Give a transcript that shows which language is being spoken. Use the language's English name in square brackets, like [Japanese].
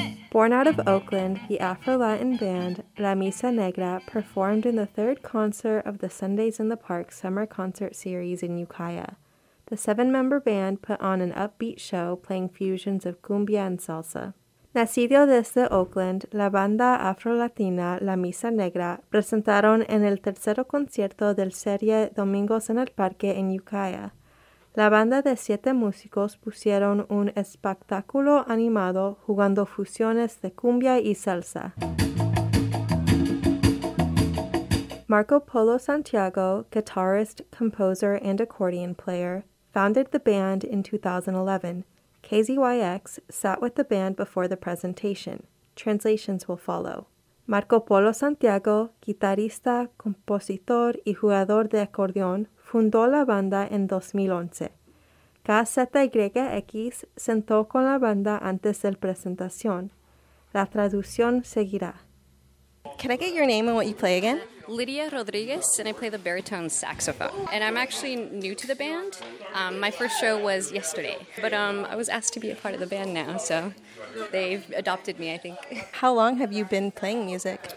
[English] Born out of Oakland, the Afro-Latin band La Misa Negra performed in the third concert of the Sundays in the Park summer concert series in Ukiah. The seven-member band put on an upbeat show playing fusions of cumbia and salsa. [Spanish] Nacido desde Oakland, la banda afro-latina La Misa Negra presentaron en el tercero concierto del serie Domingos en el Parque en Ukiah. La banda de siete músicos pusieron un espectáculo animado jugando fusiones de cumbia y salsa. [English] Marco Polo Santiago, guitarist, composer, and accordion player, founded the band in 2011. KZYX sat with the band before the presentation. Translations will follow. [Spanish] Marco Polo Santiago, guitarrista, compositor y jugador de acordeón, fundó la banda en 2011. KZYX sentó con la banda antes del presentación. La traducción seguirá. [English] Can I get your name and what you play again? Lydia Rodriguez, and I play the baritone saxophone. And I'm actually new to the band. My first show was yesterday, but I was asked to be a part of the band now, so they've adopted me, I think. How long have you been playing music?